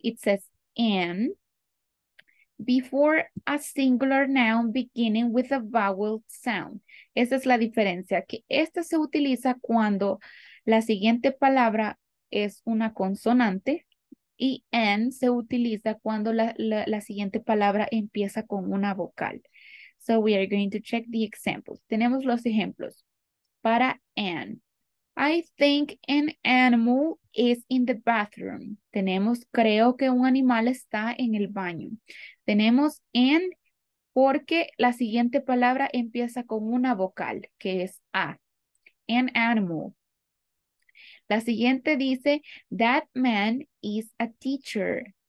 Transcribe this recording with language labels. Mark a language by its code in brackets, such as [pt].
[en] It says, an, before a singular noun beginning with a vowel sound. [es] Esa es la diferencia, que esta se utiliza cuando la siguiente palabra es una consonante y an se utiliza cuando la siguiente palabra empieza con una vocal. [en] So we are going to check the examples. [es] Tenemos los ejemplos para an. [en] I think an animal is in the bathroom. [es] Tenemos, creo que un animal está en el baño. Tenemos an porque la siguiente palabra empieza con una vocal, que es a. [en] An animal. [es] La siguiente dice, [en] that man is a teacher.